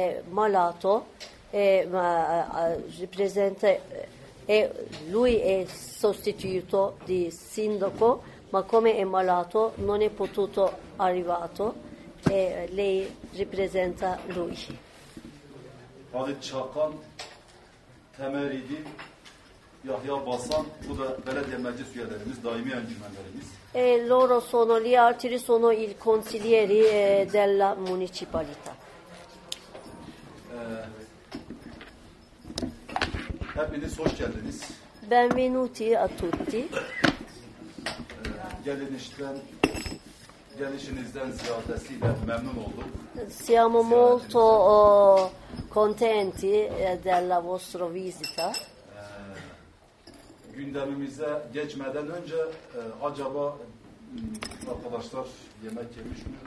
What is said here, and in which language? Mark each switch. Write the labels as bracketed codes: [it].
[it] Malato rappresenta lui è sostituto di sindaco, ma come è malato non è potuto arrivato e lei rappresenta lui. [tr] Halit Çakan, Temeridi, Yahya Basan, bu da belediye meclis üyelerimiz, daimi encümenlerimiz. [it] Loro sono gli altri, sono i consiglieri della municipalità. [tr] Hepiniz hoş geldiniz. [it] Benvenuti a tutti. [tr] Gelinişten, gelişinizden ziyadesiyle memnun olduk. [it] Siamo molto contenti della vostra visita. [tr] Gündemimize geçmeden önce acaba arkadaşlar yemek yemiş mi?